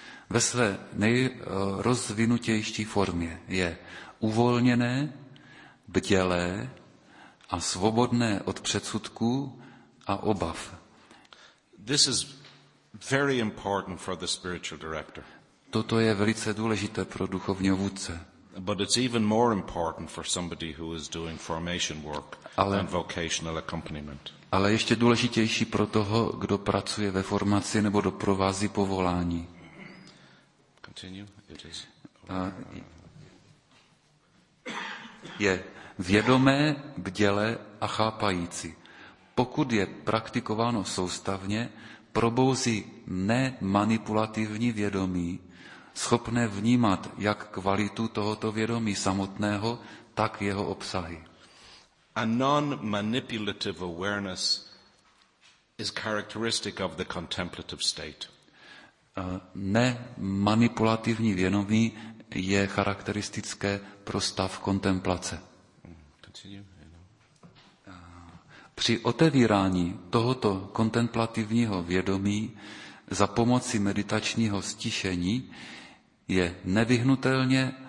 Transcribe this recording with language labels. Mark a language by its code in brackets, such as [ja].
[cs] Ve své nejrozvinutější formě je uvolněné, bdělé a svobodné od předsudků a obav. [en] This is very important for the spiritual director. [cs] Toto je velice důležité pro duchovního vůdce. [en] But it's even more important for somebody who is doing formation work and vocational accompaniment. [cs] Ale ještě důležitější pro toho, kdo pracuje ve formaci nebo doprovází povolání. [en] Continue. It is. [cs] Je vědomé, bděle a chápající. Pokud je praktikováno soustavně, probouzí nemanipulativní vědomí, schopné vnímat jak kvalitu tohoto vědomí samotného, tak jeho obsahy. [en] A non-manipulative awareness is characteristic of the contemplative state. [cs] Nemanipulativní vědomí je charakteristické pro stav kontemplace. Při otevírání tohoto kontemplativního vědomí za pomoci meditačního stišení je nevyhnutelně